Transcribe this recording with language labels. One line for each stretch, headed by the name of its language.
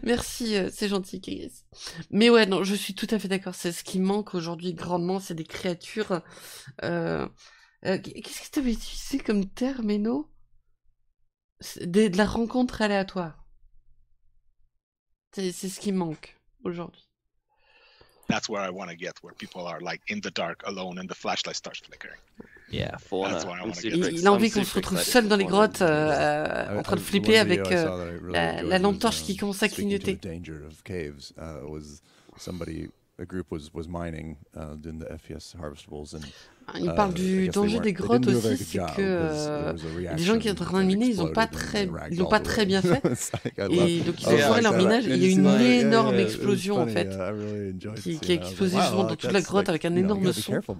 French: Merci, c'est gentil, Chris. Mais ouais, non, je suis tout à fait d'accord. C'est ce qui manque aujourd'hui grandement, c'est des créatures. Qu'est-ce que tu avais utilisé comme terme, Eno ? De la rencontre aléatoire. C'est ce qui manque aujourd'hui.
English: That's where I want to get, where people are like in the dark, alone, and the flashlight starts flickering. Yeah, for that's why I want to get.
French: Il a envie qu'on se retrouve seul dans les grottes, en train de flipper avec la lampe torche qui commence à clignoter.
English: Danger of caves was somebody, a group was mining in the FPS harvestables and.
French: Il parle du danger des grottes aussi, c'est que les gens qui sont en train de miner, ils n'ont pas très, ils l'ont pas très bien fait. Et donc ils ont foiré leur minage, et il y a une énorme explosion en fait, qui a explosé justement dans toute la grotte avec un énorme son.